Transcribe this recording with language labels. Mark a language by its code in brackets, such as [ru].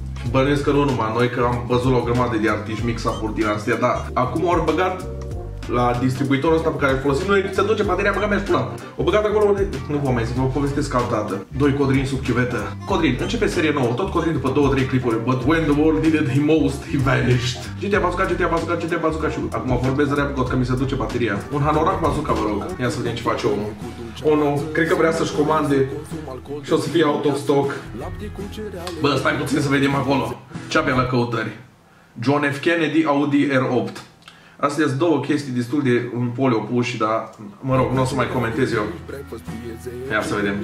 [ro] Bănuiesc că nu numai noi, că am văzut la o grămadă de artiști mix-up-uri din astea, dar acum ori băgat la distribuitorul ăsta pe care îl folosim noi, se duce bateria, băga mea și pula. O băgat acolo unde... Nu vă mai zic, vă povestesc altădată. Doi Codrin sub chiuvetă. Codrin, începe serie nouă, tot Codrin după 2-3 clipuri. [en] But when the world needed him most, he vanished. [ro] GTA Bazooka, GTA Bazooka, GTA Bazooka și... Acum vorbesc rap god că mi se duce bateria. Un hanorac Bazooka, vă rog. Ia să vedem ce face omul. Ono, cred că vrea să-și comande și o să fie [en] out of stock. [ro] Bă, stai puțin să vedem acolo. Ce avem la căutări? John F. Kennedy Audi R8. Astea sunt două chestii destul de în poli opuși, dar mă rog, nu o să mai comentez eu. Ia să vedem.